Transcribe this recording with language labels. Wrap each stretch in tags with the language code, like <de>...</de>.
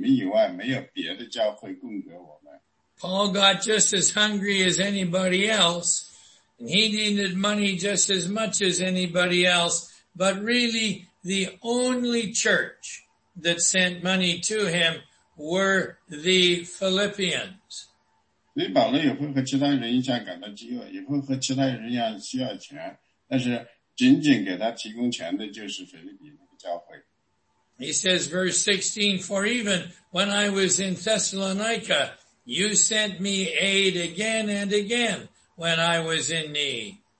<zh>所以第十五节继续说,腓立比人,那你们也知道我初尝福音,耶路马其顿的时候,论到受受的事,除了你们以外,没有别的教会供给我们。Paul</zh> <en>got just as hungry as anybody else, and he needed money just as much as anybody else, but really, the only church that sent money to him were the Philippians.</en> <zh>所以保罗也会和其他人一样感到饥饿，也会和其他人一样需要钱，但是仅仅给他提供钱的就是腓立比那个教会。</zh> <en>He says, verse 16, for even when I was in Thessalonica, you sent me aid again and again when I was in need.</en>